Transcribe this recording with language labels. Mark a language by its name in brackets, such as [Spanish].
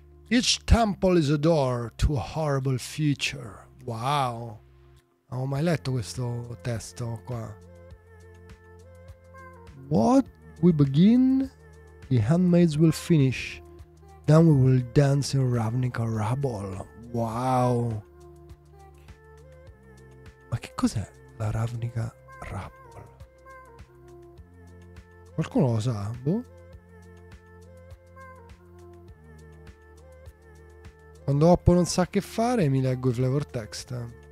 [English] Each temple is a door to a horrible future. Wow. [Italian] Non ho mai letto questo testo qua. [English] What? We begin, the handmaids will finish, then we will dance in Ravnica Rubble. Wow! [Italian] Ma che cos'è la Ravnica Rubble? Qualcuno lo sa? Boh? Quando Oppo non sa che fare, mi leggo i flavor text.